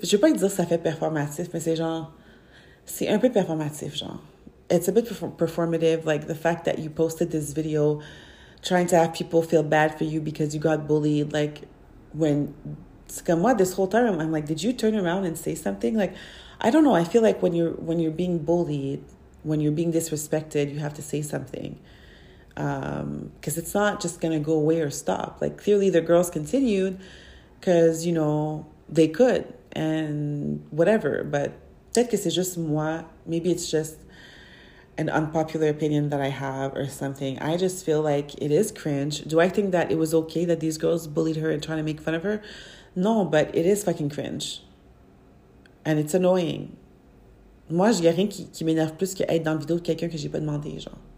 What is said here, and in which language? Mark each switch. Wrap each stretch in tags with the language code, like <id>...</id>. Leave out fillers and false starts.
<fr>Je vais pas dire que ça fait performatif, mais c'est genre... C'est un peu performatif, genre.</fr> <en>It's a bit performative, like the fact that you posted this video trying to have people feel bad for you because you got bullied. Like, when,</en> <fr>c'est comme moi,</fr> <en>this whole time, I'm like, did you turn around and say something? Like, I don't know. I feel like when you're being bullied, when you're being disrespected, you have to say something. Because it's not just going to go away or stop. Like, clearly the girls continued because, you know, they could and whatever, but...</en> <fr>Peut-être que c'est juste moi.</fr> <en>Maybe it's just an unpopular opinion that I have or something. I just feel like it is cringe. Do I think that it was okay that these girls bullied her and trying to make fun of her? No, but it is fucking cringe. And it's annoying.</en> <fr>Moi, il n'y a rien qui m'énerve plus qu'être dans la vidéo de quelqu'un que je n'ai pas demandé, genre.</fr>